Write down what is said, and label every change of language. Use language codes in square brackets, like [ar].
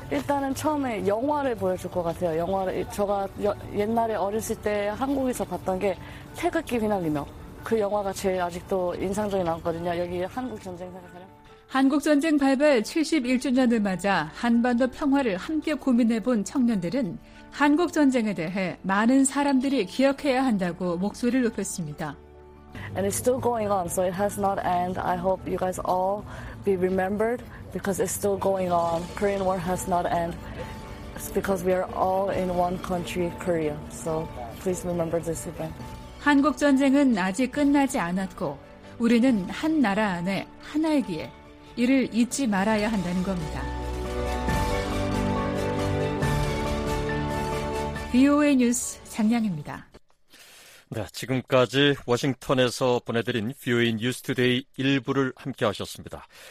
[ko] 일단은 처음에 영화를 보여줄 것 같아요. 영화를 제가 옛날에 어렸을 때 한국에서 봤던 게 태극기 휘날리며 그 영화가 제일 아직도 인상적이 남거든요. 여기 한국전쟁 생각하면 한국전쟁 발발 71주년을 맞아 한반도 평화를 함께 고민해본 청년들은 한국전쟁에 대해 많은 사람들이 기억해야 한다고 목소리를 높였습니다. [en] And it's still going on, so it has not ended. I hope you guys all be remembered because it's still going on. Korean War has not ended. It's because we are all in one country, Korea. So please remember this event. [ko] 한국전쟁은 아직 끝나지 않았고 우리는 한 나라 안에 하나이기에 이를 잊지 말아야 한다는 겁니다. VOA 뉴스 장량입니다. 네, 지금까지 워싱턴에서 보내드린 VOA 뉴스 투데이 일부를 함께하셨습니다.